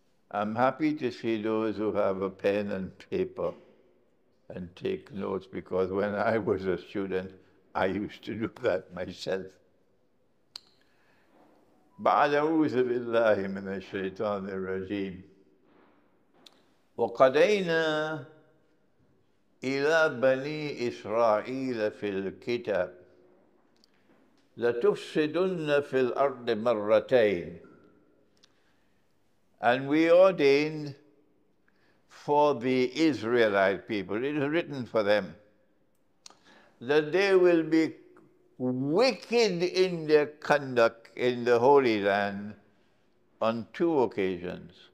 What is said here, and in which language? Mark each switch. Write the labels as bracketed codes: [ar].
[en] I'm happy to see those who have a pen and paper and take notes, because when I was a student, I used to do that myself. [ar] بعد أعوذ بالله من الشيطان الرجيم وقدينا إلى بني إسرائيل في الكتاب لتفسدن في الأرض مرتين. [en] And we ordain for the Israelite people, it is written for them, that they will be wicked in their conduct in the Holy Land on two occasions.